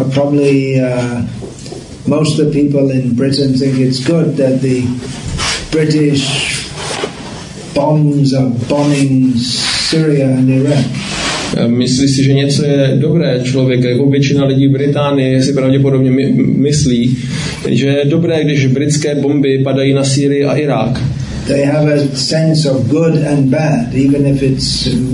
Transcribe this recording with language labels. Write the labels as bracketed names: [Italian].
[English] Probably most of the people in Britain think it's good that the British bombs are bombing Syria and Iraq. [Czech] Myslí si, že něco je dobré, člověk, jako většina lidí v Británii si pravděpodobně myslí, že je dobré, když britské bomby padají na Sýrii a Irák. [English] They have a sense of good and bad, even if it's